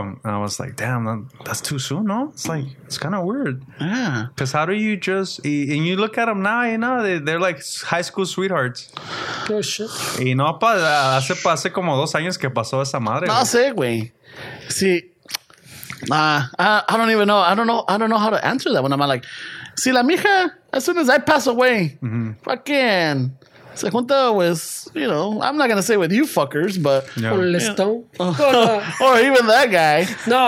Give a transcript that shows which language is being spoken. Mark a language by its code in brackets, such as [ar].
[en] And I was like, damn, that's too soon, no? It's like, it's kind of weird. Yeah. Because how do you just... And you look at him now, you know? No, they're like high school sweethearts. Oh, shit. [es] Y no, hace como 2 años que pasó esa madre. No sé, güey. Sí. [en] I don't even know. I don't know how to answer that one. I'm like, [es] si la mija, [en] as soon as I pass away, fucking... [es] Se junta [en] with, you know, I'm not going to say with you fuckers, but... Yeah. Or Listón. Or even that guy. No,